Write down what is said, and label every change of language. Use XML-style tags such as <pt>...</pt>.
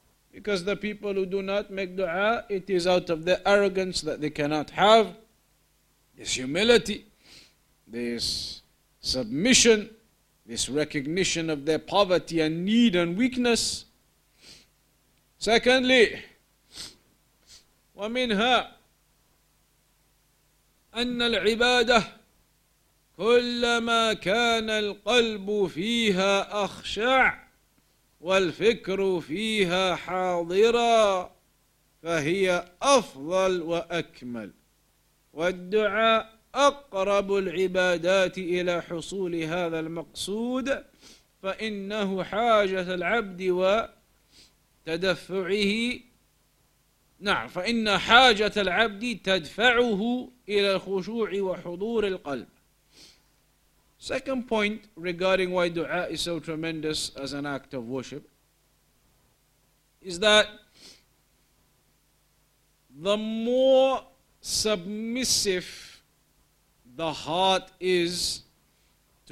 <en>Because the people who do not make dua, it is out of their arrogance that they cannot have this humility, this submission, this recognition of their poverty and need and weakness. Secondly,</en> <ar>وَمِنْهَا أَنَّ الْعِبَادَةِ كلما كان القلب فيها أخشع والفكر فيها حاضرا فهي أفضل وأكمل والدعاء أقرب العبادات إلى حصول هذا المقصود فإنه حاجة العبد وتدفعه نعم فإن حاجة العبد تدفعه إلى الخشوع وحضور القلب.</ar> <en>Second point regarding why dua is so tremendous as an act of worship is that the more submissive the heart is to</en>